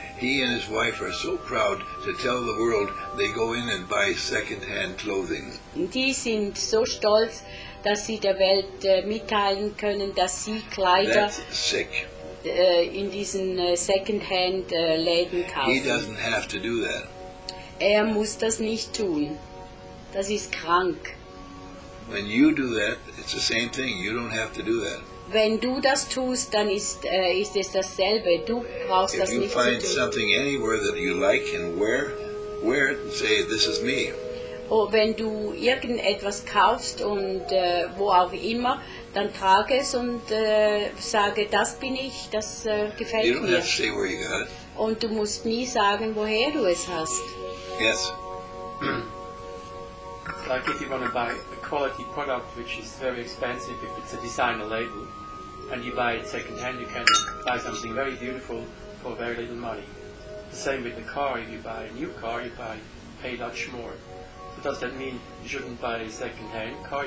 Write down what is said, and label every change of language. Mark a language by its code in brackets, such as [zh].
[en] He and his wife are so proud to tell the world they go in and buy second-hand clothing. [de] Die sind so stolz, dass sie der Welt mitteilen können, dass sie Kleider in diesen second-hand Läden kaufen. [en] He doesn't have to do that. [de] Er muss das nicht tun. Das ist krank. [en] When you do that, it's the same thing. You don't have to do that. [de] Wenn du das tust, dann ist es dasselbe. Du brauchst das nicht zu tun. [en] If you find something anywhere that you like and wear it and say, this is me. [de] Oh, wenn du irgendetwas kaufst und wo auch immer, dann trage es und sage, das bin ich, das gefällt mir. [en] You don't have to say where you got it. [de] Und du musst nie sagen, woher du es hast. [en] Yes. Like if you want to buy a quality product which is very expensive, if it's a designer label, and you buy it second hand, you can buy something very beautiful for very little money. The same with the car. If you buy a new car, you pay much more. So does that mean you shouldn't buy a second-hand car?